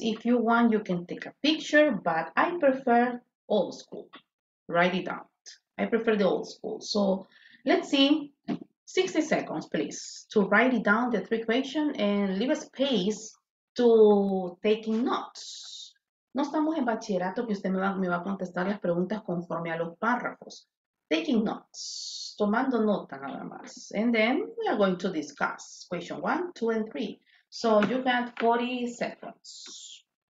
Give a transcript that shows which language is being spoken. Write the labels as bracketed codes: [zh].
[en] If you want, you can take a picture, but I prefer old school. Write it out. I prefer the old school. So, let's see. 60 seconds, please, to write it down, the 3 questions, and leave a space to taking notes. [es] No estamos en bachillerato que usted me va a contestar las preguntas conforme a los párrafos. [en] Taking notes. [es] Tomando nota nada más. [en] And then we are going to discuss question 1, 2, and 3. So you got 40 seconds.